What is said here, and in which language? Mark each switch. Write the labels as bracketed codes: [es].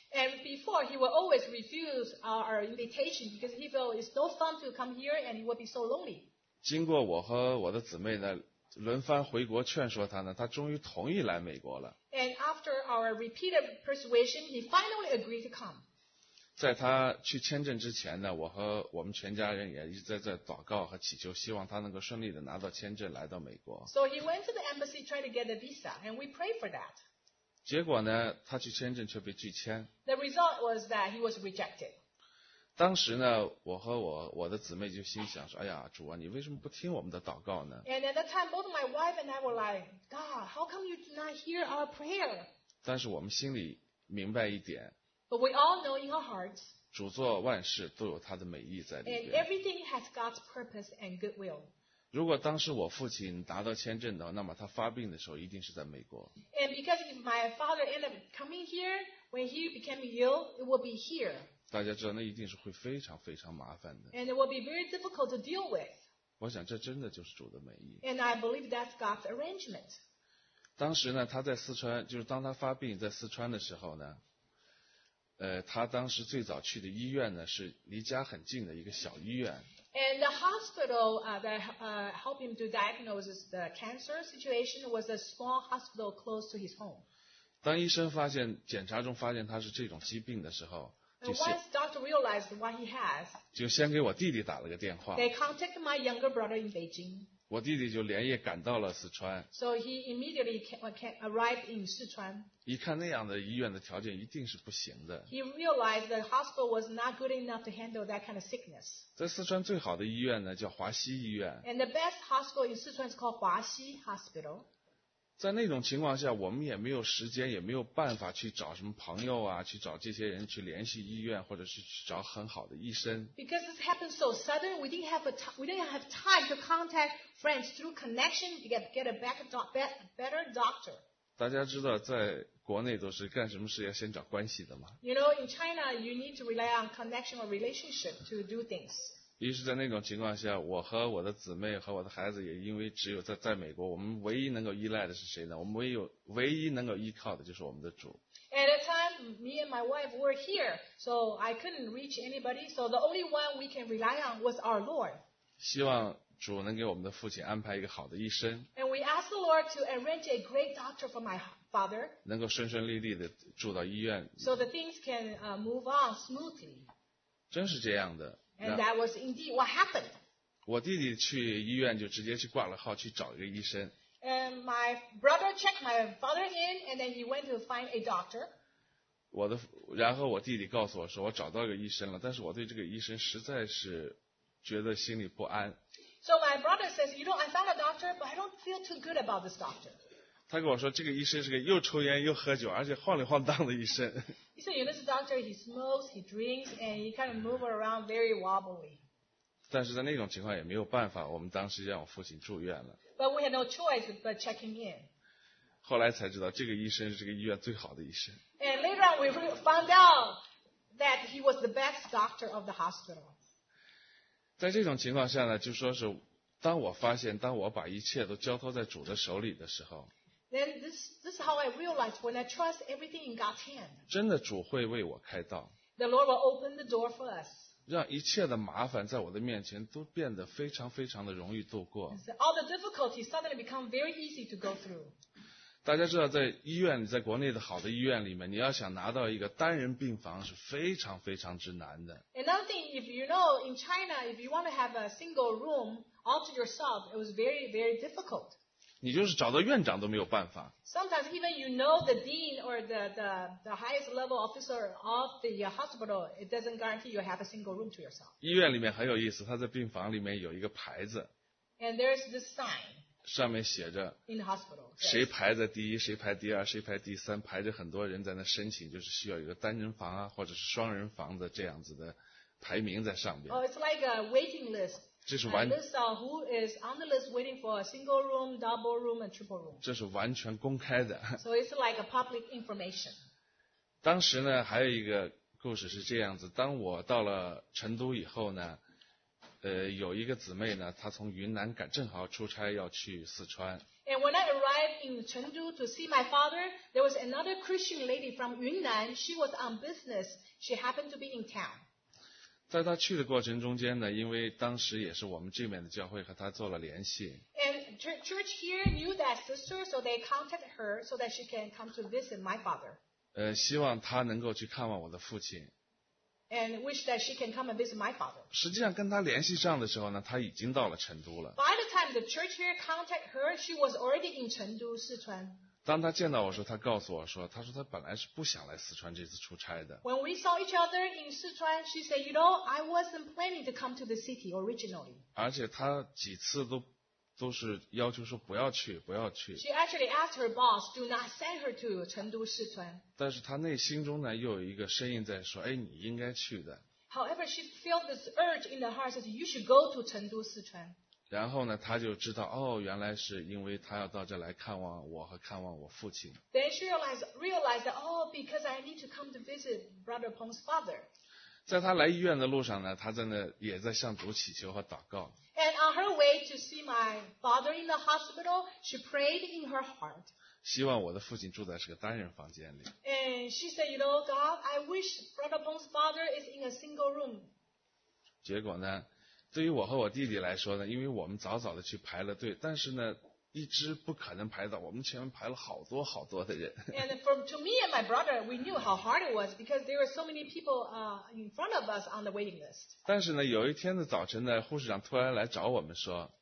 [en] And before he would always refuse our invitation because he felt it's no fun to come here and he would be so lonely. [zh] 经过我和我的姊妹呢。轮番回国劝说他呢，他终于同意来美国了。 [en] And after our repeated persuasion, he finally agreed to come. [zh] 在他去签证之前呢，我和我们全家人也一直在祷告和祈求，希望他能够顺利的拿到签证来到美国。 [en] So he went to the embassy trying to get a visa, and we prayed for that. [zh] 结果呢，他去签证却被拒签。 [en] The result was that he was rejected. [zh] 当时呢我和我的姊妹就心想说哎呀主啊你为什么不听我们的祷告呢 [en] And at that time both my wife and I were like God how come you do not hear our prayer [zh] 但是我们心里明白一点 [en] But we all know in our hearts [zh] 主做万事都有他的美意在里面 [en] And everything has God's purpose and goodwill [zh] 如果当时我父亲拿到签证的话那么他发病的时候一定是在美国 [en] And because if my father ended up coming here when he became ill it would be here [zh] 大家知道那一定是会非常非常麻烦的。 [en] And it will be very difficult to deal with. [zh] 我想这真的就是主的美意。 [en] And I believe that's God's arrangement. [zh] 当时呢，他在四川，就是当他发病在四川的时候呢，他当时最早去的医院呢，是离家很近的一个小医院。 [en] And the hospital that helped him to diagnose the cancer situation was a small hospital close to his home. [zh] 当医生发现检查中发现他是这种疾病的时候，就 [en] 先 Once doctor realized what he has, [zh] 就先给我弟弟打了个电话。 [en] They contacted my younger brother in Beijing. [zh] 我弟弟就连夜赶到了四川。 [en] So he immediately arrived in 四川。 [zh] 一看那样的医院的条件一定是不行的。 [en] He realized the hospital was not good enough to handle that kind of sickness. [zh] 在四川最好的医院呢叫华西医院。 [en] And the best hospital in 四川 is called 华西 Hospital. [zh] 在那种情况下我们也没有时间也没有办法去找什么朋友啊去找这些人去联系医院或者是去找很好的医生。 [en] Because this happened so sudden, we didn't have time to contact friends through connection to get a better doctor. [zh] 大家知道在国内都是干什么事要先找关系的吗 [en] You know, in China, you need to rely on connection or relationship to do things. [zh] 于是在那种情况下我和我的姊妹和我的孩子也因为只有在美国我们唯一能够依赖的是谁呢我们唯一能够依靠的就是我们的主。 [en] At the time, me and my wife were here, so I couldn't reach anybody, so the only one we can rely on was our Lord. [zh] 希望主能给我们的父亲安排一个好的医生。 [en] And we asked the Lord to arrange a great doctor for my father. [zh] 能够顺顺利利的住到医院。 [en] So the things can move on smoothly. [zh] 真是这样的。 [en] And that was indeed what happened. [zh] 我弟弟去医院就直接去挂了号去找一个医生。 [en] And my brother checked my father in and then he went to find a doctor. [zh] 然后我弟弟告诉我说我找到一个医生了但是我对这个医生实在是觉得心里不安。 [en] So my brother says, you know, I found a doctor, but I don't feel too good about this doctor. [zh] 他跟我说这个医生是个又抽烟又喝酒而且晃里晃荡的医生。 [en] He said, you know, this doctor, he smokes, he drinks, and he kind of moves around very wobbly. [zh] 但是在那种情况也没有办法我们当时让我父亲住院了。 [en] But we had no choice but checking in. [zh] 后来才知道这个医生是这个医院最好的医生。 [en] And later on, we found out that he was the best doctor of the hospital. [zh] 在这种情况下呢，就说是，当我发现，当我把一切都交托在主的手里的时候 [en] ，Then this is how I realized when I trust everything in God's hand. [zh] 真的主会为我开道。 [en] The Lord will open the door for us. [zh] 让一切的麻烦在我的面前都变得非常非常的容易度过。 [en] All the difficulties suddenly become very easy to go through. [zh] 大家知道，在医院，在国内的好的医院里面，你要想拿到一个单人病房是非常非常之难的。 [en] Another thing, if you know in China, if you want to have a single room all to yourself, it was very, very difficult. [zh] 你就是找到院长都没有办法。 [en] Sometimes even you know the dean or the highest level officer of the hospital, it doesn't guarantee you have a single room to yourself. [zh] 医院里面很有意思，他在病房里面有一个牌子。 [en] And there's this sign. [zh] 上面写着 [en] In the hospital,、yes. [zh] 谁排在第一谁排第二谁排第三排着很多人在那申请就是需要一个单人房啊或者是双人房的这样子的排名在上面、 [en] oh, It's like a waiting list [zh] 这是完 [en] A list of who is on the list waiting for a single room, double room and triple room [zh] 这是完全公开的 [en] So it's like a public information [zh] 当时呢还有一个故事是这样子当我到了成都以后呢有一个姊妹呢，她从云南赶，正好出差要去四川。 [en] And when I arrived in Chengdu to see my father, there was another Christian lady from Yunnan. She was on business. She happened to be in town. [zh] 在她去的过程中间呢，因为当时也是我们这边的教会和她做了联系。 [en] And church here knew that sister, so they contacted her so that she can come to visit my father. [zh] 希望她能够去看望我的父亲。 [en] And wish that she can come and visit my father. [zh] 实际上跟他联系上的时候呢，他已经到了成都了。 [en] By the time the church here contacted her, she was already in 成都，四川。 [zh] 当他见到我说，他告诉我说，他说他本来是不想来四川这次出差的。 [en] When we saw each other in 四川, she said, you know, I wasn't planning to come to the city originally. [zh] 而且他几次都是要求说不要去，不要去。 [en] She actually asked her boss, do not send her to 成都四川。 [zh] 但是她内心中呢，又有一个声音在说，哎，你应该去的。 [en] However, she felt this urge in the heart that you should go to 成都四川。 [zh] 然后呢，她就知道，哦，原来是因为她要到这来看望我和看望我父亲。 [en] Then she realized that, oh, because I need to come to visit Brother Peng's father. [zh] 在她来医院的路上呢，她在那也在向主祈求和祷告。 [en] And on her way to see my father in the hospital, she prayed in her heart. [zh] 希望我的父亲住在是个单人房间里。 [en] And she said, you know, God, I wish Brother Pong's father is in a single room. [zh] 结果呢，对于我和我弟弟来说呢，因为我们早早的去排了队，但是呢，一直不可能排到，我们前面排了好多好多的人。 [en] And for to me and my brother, we knew how hard it was because there were so many people in front of us on the waiting list. [zh] 但是呢，有一天的早晨呢，护士长突然来找我们说。